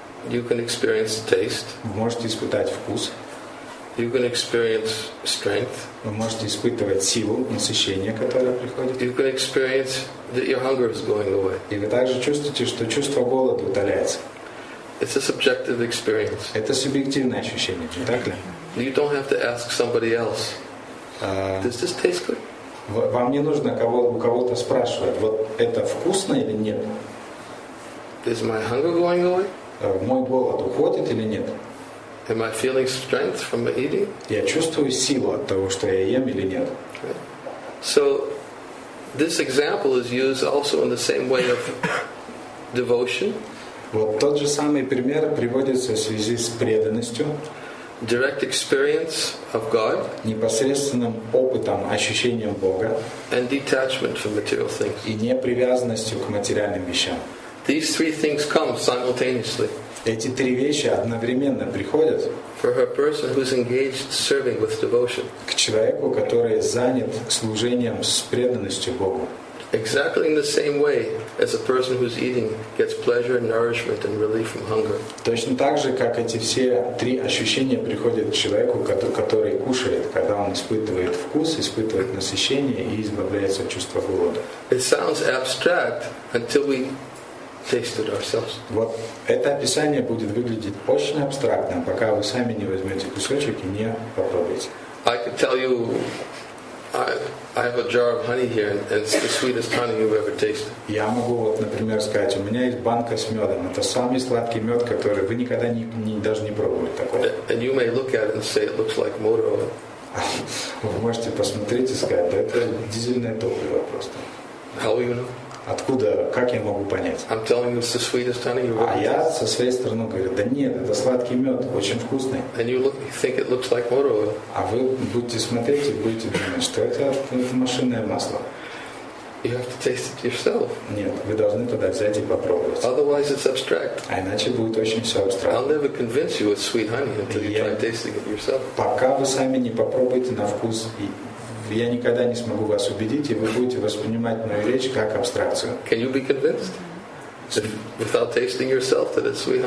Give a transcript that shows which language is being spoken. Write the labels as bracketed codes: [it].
[en] you can experience taste, [ru] вы можете испытать вкус, [en] you can experience strength, [ru] вы можете испытывать силу, насыщение, которое приходит, [en] you can experience that your hunger is going away, [ru] и вы также чувствуете, что чувство голода удаляется. [en] It's a subjective experience. [ru] Это субъективное ощущение, не так ли? [en] You don't have to ask somebody else. Does this taste good? [ru] Вам не нужно кого-то спрашивать. Вот это вкусно или нет? [en] Is my hunger going away? [ru] Мой голод уходит или нет? [en] Am I feeling strength from eating? [ru] Я чувствую силу от того, что я ем или нет? [en] So this example is used also in the same way of devotion. [ru] Вот тот же самый пример приводится в связи с преданностью. [en] Direct experience of God, [ru] непосредственным опытом, ощущением Бога, [en] and detachment from material things, [ru] и непривязанностью к материальным вещам. [en] These three things come simultaneously. [ru] Эти три вещи одновременно приходят [en] for a person who's engaged serving with devotion, [ru] к человеку, который занят служением с преданностью Богу. [en] Exactly in the same way as a person who's eating gets pleasure and nourishment and relief from hunger. [ru] Точно так же, как эти все три ощущения приходят к человеку, который кушает, когда он испытывает вкус, испытывает насыщение и избавляется от чувства голода. [en] It sounds abstract until we taste it ourselves. [ru] Вот это описание будет выглядеть очень абстрактным, пока вы сами не возьмете кусочек и не попробуете. [en] I could tell you I have a jar of honey here, and it's the sweetest honey you've ever tasted. [ru] Я могу вот, например, сказать, у меня есть банка с медом. Это самый сладкий мед, который вы никогда не пробовали такого. [en] And you may look at it and say it looks like motor oil. [ru] Вы можете посмотреть и сказать, да, это дизельное топливо просто. [en] How do you know? [ru] Откуда, как я могу понять? [en] I'm telling you it's the sweetest honey you've ever tasted. [ru] А я со своей стороны говорю, да нет, это сладкий мед, очень вкусный. [en] And you look, think it looks like motor oil. [ru] А вы будете смотреть и будете думать, что это машинное масло. [en] You have to taste it yourself. [ru] Нет, вы должны туда взять и попробовать. [en] Otherwise it's abstract. [ru] А иначе будет очень все абстрактно. [en] I'll never convince you it's sweet honey until you try tasting it yourself. [ru] Пока вы сами не попробуете на вкус и... Я никогда не смогу вас убедить, и вы будете воспринимать мою речь как абстракцию. [en] Can you be convinced without tasting yourself that it's sweet?